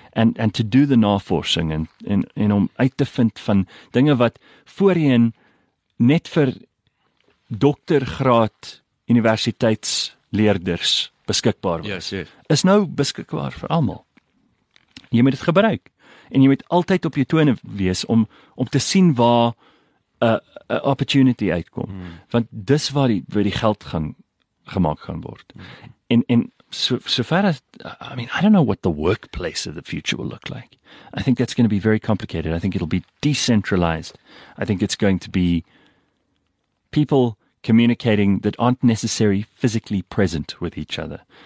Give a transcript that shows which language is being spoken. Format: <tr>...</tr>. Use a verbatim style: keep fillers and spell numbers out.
<af>En en</af> <en>to do</en> <af>the navorsing en en en om uit te vind van dinge wat voorheen net vir doktergraad universiteitsleerders beskikbaar was.</af> <en>Yes, yes.</en> <af>Is nou beskikbaar vir almal. Jy moet dit gebruik en jy moet altyd op jou tone wees om om te sien waar 'n uh, opportunity uitkom, mm. want dis waar die waar die geld gaan gemaak gaan word. Mm.</af> <en>En en so so far as I mean I don't know what the workplace of the future will look like. I think that's going to be very complicated. I think it'll be decentralized. I think it's going to be people communicating that aren't necessarily physically present with each other,</en>